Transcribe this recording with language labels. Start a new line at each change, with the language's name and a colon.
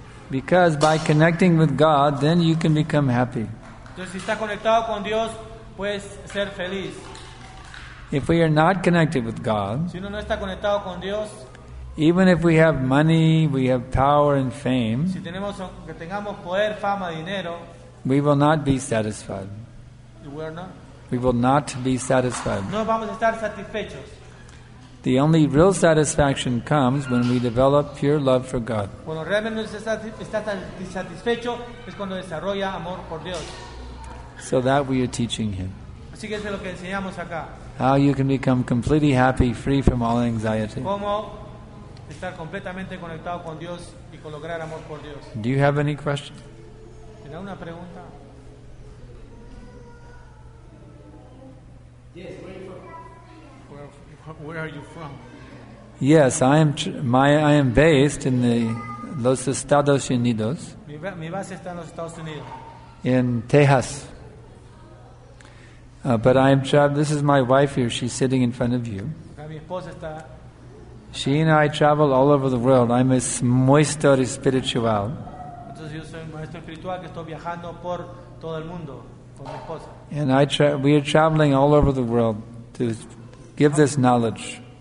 English: Because by connecting with God, then you can become happy.
Spanish: Entonces, si está conectado con Dios, puedes ser feliz.
English: If we are not connected with God,
Spanish: si uno no está conectado con Dios,
English: even if we have money, we have power and fame,
Spanish: si tenemos, que tengamos poder, fama, dinero,
English: we will not be satisfied. We will not be satisfied.
Spanish: No vamos a estar satisfechos.
English: The only real satisfaction comes when we develop pure love for God.
Spanish: Cuando realmente está satisfecho es cuando desarrolla amor por Dios.
English: So that we are teaching him.
Spanish: Así que eso es lo que enseñamos acá.
English: How you can become completely happy, free from all anxiety.
Spanish: Cómo estar completamente conectado con Dios y con lograr amor por Dios.
English: Do you have any questions?
Spanish: ¿Tiene una pregunta?
English: Yes, where are you from? Where are you from? Yes, I am based in the Los Estados Unidos.
Spanish: Mi base está en los Estados Unidos.
English: In Texas. But I am traveling. This is my wife here. She's sitting in front of you.
Spanish: Mi esposa está.
English: She and I travel all over the world. I'm a
Spanish: maestro espiritual. Entonces yo soy un maestro espiritual que estoy viajando por todo el mundo con mi esposa.
English: And we are traveling all over the world to give this knowledge.